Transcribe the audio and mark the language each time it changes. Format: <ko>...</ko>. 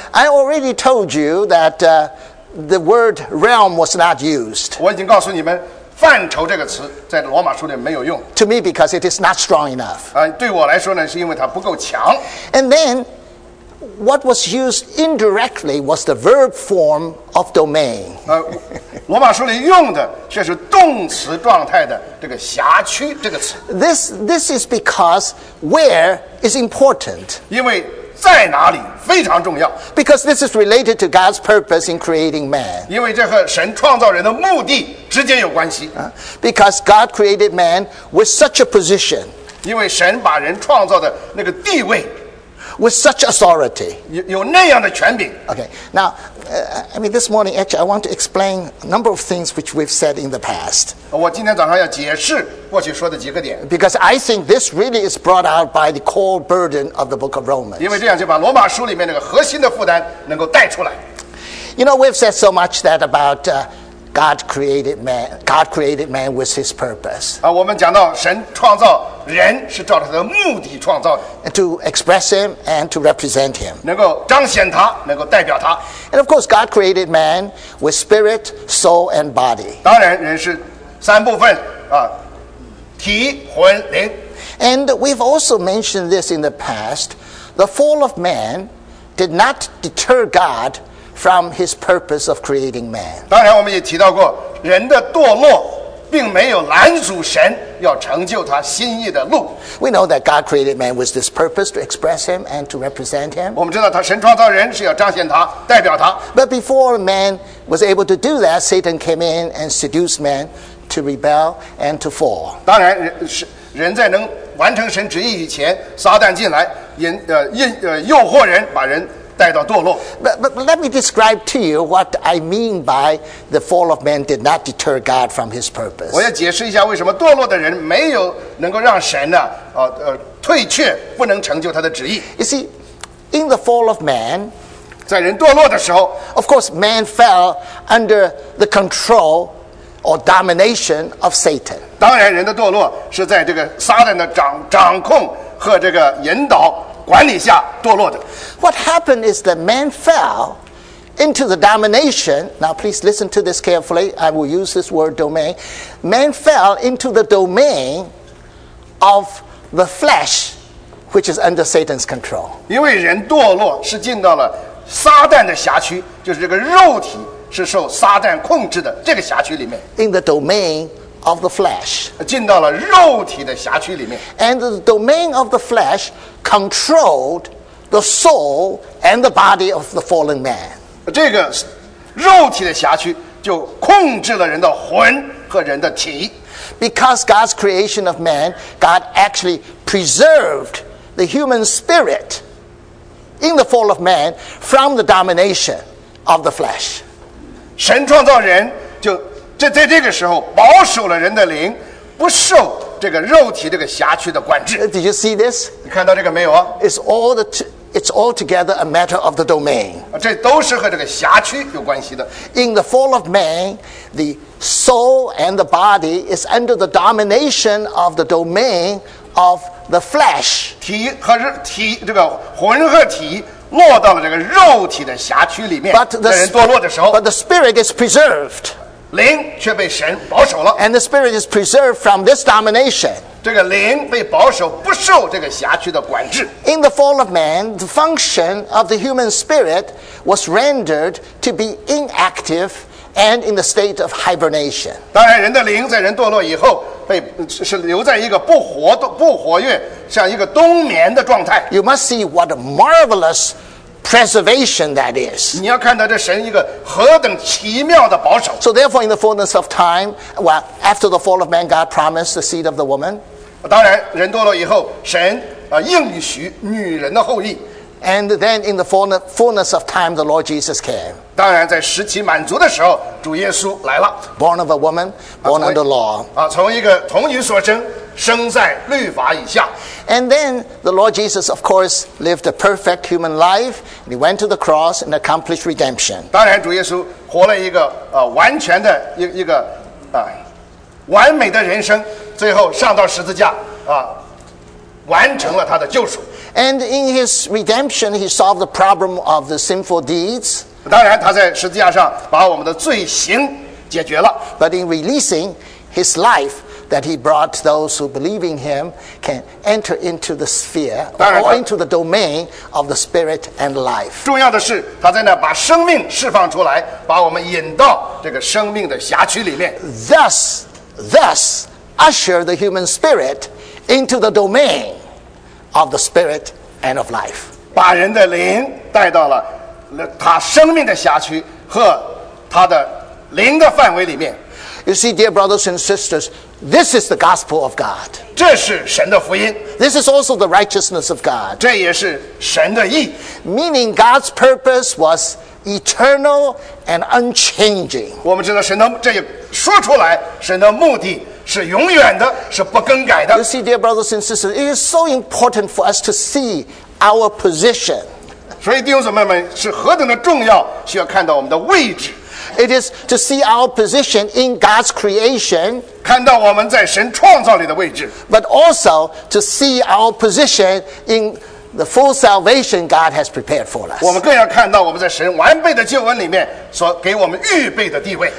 <en>I already told you that, The word realm was not used.</en> <zh>我已经告诉你们，范畴这个词在罗马书里没有用。</zh> <en>To me, because it is not strong enough.</en> <zh>对我来说呢，是因为它不够强。</zh> <en>And then, what was used indirectly was the verb form of domain.</en> <zh>罗马书里用的却是动词状态的这个辖区这个词。</zh> <en>This is because where is important.</en> <zh>因为在哪里非常重要。</zh> <en>Because this is related to God's purpose in creating man.</en> <zh>因为这和神创造人的目的直接有关系。</zh> <en>Because God created man with such a position.</en> <zh>因为神把人创造的那个地位。</zh> <en>With such authority.</en> <zh>有那样的权柄。</zh> <en>Okay, now, this morning, actually, I want to explain a number of things which we've said in the past.</en> <zh>我今天早上要解释过去说的几个点。</zh> <en>Because I think this really is brought out by the core burden of the book of Romans.</en> <zh>因为这样就把罗马书里面那个核心的负担能够带出来。</zh> <en>You know, we've said so much that about God created man with his purpose.</en> <zh>我们讲到神创造人是照着他的目的创造的。</zh> <en>And to express him and to represent him.</en> <zh>能够彰显他，能够代表他。</zh> <en>And of course, God created man with spirit, soul, and body.</en> <zh>当然，人是三部分啊，体、魂、灵。</zh> <en>And we've also mentioned this in the past. The fall of man did not deter God. From his purpose of creating man.</en> <zh>当然，我们也提到过，人的堕落并没有拦阻神要成就他心意的路。</zh> <en>We know that God created man with this purpose to express him and to represent him.</en> <zh>我们知道他神创造人是要彰显他，代表他。</zh> <en>But before man was able to do that, Satan came in and seduced man to rebel and to fall.</en> <zh>当然，人在能完成神旨意以前，撒旦进来诱惑人，把人。</zh> <en>But let me describe to you what I mean by the fall of man did not deter God from his purpose.</en> <zh>我要解释一下为什么堕落的人没有能够让神呢退却，不能成就他的旨意。</zh> <en>You see, in the fall of man,</en> <zh>在人堕落的时候</zh> <en>，of course man fell under the control or domination of Satan.</en> <zh>当然，人的堕落是在这个撒旦的掌控和这个引导。管理下堕落的。</zh> <en>What happened is that man fell into the domination. Now, please listen to this carefully. I will use this word domain. Man fell into the domain of the flesh, which is under Satan's control.</en> <zh>因为人堕落是进到了撒旦的辖区，就是这个肉体是受撒旦控制的这个辖区里面。</zh> <en>In the domain. Of the flesh,</en> <zh>进到了肉体的辖区里面</zh> <en>and the domain of the flesh controlled the soul and the body of the fallen man.</en> <zh>这个肉体的辖区就控制了人的魂和人的体</zh> <en>Because God's creation of man, God actually preserved the human spirit in the fall of man from the domination of the flesh.</en> <zh>神创造人就在这个时候保守了人的灵不受这个肉体这个辖区的管制。</zh> <en>Did you see this?</en> <zh>你看到这个没有啊?</zh> <en>It's all together a matter of the domain.</en> <zh>这都是和这个辖区有关系的。</zh> <en>In the fall of man, the soul and the body is under the domination of the domain of the flesh.</en> <zh>体这个魂和体落到了这个肉体的辖区里面。在人堕落的时候。</zh> <en>But the spirit is preserved.</en> <zh>灵却被神保守了</zh> <en>and the spirit is preserved from this domination.</en> <zh>这个灵被保守，不受这个辖区的管制。</zh> <en>In the fall of man, the function of the human spirit was rendered to be inactive and in the state of hibernation.</en> <zh>当然，人的灵在人堕落以后是留在一个不活跃，像一个冬眠的状态。</zh> <en>You must see what a marvelous preservation that is.</en> <zh>你要看到这神一个何等奇妙的保守。</zh> <en>So therefore, in the fullness of time, well, after the fall of man, God promised the seed of the woman.</en> <zh>当然，人堕落以后，神应许女人的后裔。</zh> <en>And then in the fullness of time, the Lord Jesus came.</en> <zh>当然，在时期满足的时候，主耶稣来了。</zh> <en>Born of a woman, born under law.</en> <zh>从一个童女所生。生在律法以下</zh> <en>And then the Lord Jesus, of course, lived a perfect human life. And he went to the cross and accomplished redemption.</en> <zh>当然，主耶稣活了一个完全的一个完美的人生，最后上到十字架完成了他的救赎。</zh> <en>And in his redemption, he solved the problem of the sinful deeds.</en> <zh>当然，他在十字架上把我们的罪行解决了。</zh> <en>But in releasing his life that he brought, those who believe in him can enter into the sphere or into the domain of the spirit and life.</en> <zh>重要的是，他在那把生命释放出来，把我们引到这个生命的辖区里面。</zh> <en>Thus usher the human spirit into the domain of the spirit and of life.</en> <zh>把人的灵带到了他生命的辖区和他的灵的范围里面。</zh> <en>You see, dear brothers and sisters, this is the gospel of God.</en> <zh>这是神的福音。</zh> <en>This is also the righteousness of God.</en> <zh>这也是神的义。</zh> <en>Meaning God's purpose was eternal and unchanging.</en> <zh>我们知道神的，这也说出来，神的目的是永远的，是不更改的。</zh> <en>You see, dear brothers and sisters, it is so important for us to see our position.</en> <zh>所以弟兄姊妹们，是何等的重要，需要看到我们的位置。</zh> <en>It is to see our position in God's creation.</en> <zh>看到我们在神创造里的位置。</zh> <en>But also to see our position in the full salvation God has prepared for us.</en> <zh>我们更要看到我们在神完备的救恩里面所给我们预备的地位。</zh>